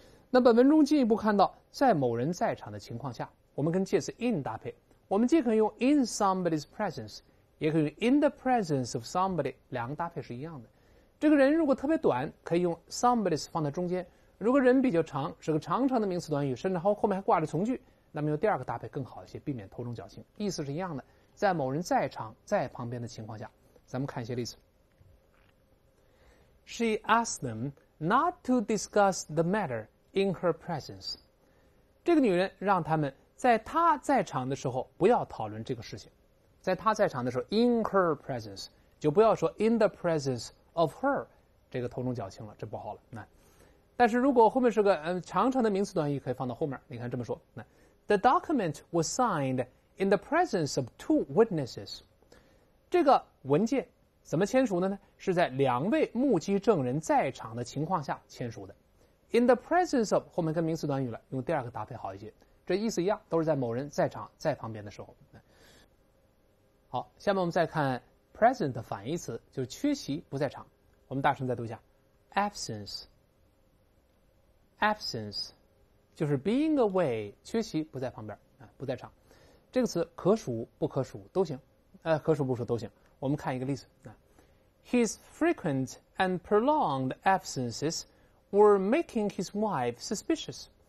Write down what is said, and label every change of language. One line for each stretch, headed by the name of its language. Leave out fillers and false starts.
Chinese: 那本文中进一步看到，在某人在场的情况下，我们跟介词 in 搭配，我们既可以用
English: in somebody's presence，
Chinese: 也可以用
English: in the presence of somebody，
Chinese: 两个搭配是一样的。这个人如果特别短，可以用 somebody's 放在中间，如果人比较长，是个长长的名词短语，甚至后面还挂着从句，那么用第二个搭配更好一些，避免头重脚轻，意思是一样的。在某人在场在旁边的情况下，咱们看一些例子。
English: She asked them not to discuss the matter in her presence.
Chinese: 这个女人让他们在她在场的时候不要讨论这个事情。在她在场的时候
English: in her presence，
Chinese: 就不要说
English: in the presence of her，
Chinese: 这个头重脚轻了，这不好了。但是如果后面是个长长的名词短语，可以放到后面，你看这么说。
English: The document was signed in the presence of two witnesses.
Chinese: 这个文件怎么签署的呢？是在两位目击证人在场的情况下签署的。
English: In the presence of
Chinese: 后面跟名词短语了，用第二个搭配好一些，这意思一样，都是在某人在场在旁边的时候。好，下面我们再看 present 的反义词，就是缺席不在场。我们大声再读一下 absence， absence 就是
English: being away，
Chinese: 缺席不在旁边，不在场。这个词可数不可数都行，可数不数都行。我们看一个例子。
English: His frequent and prolonged absences were making his wife suspicious.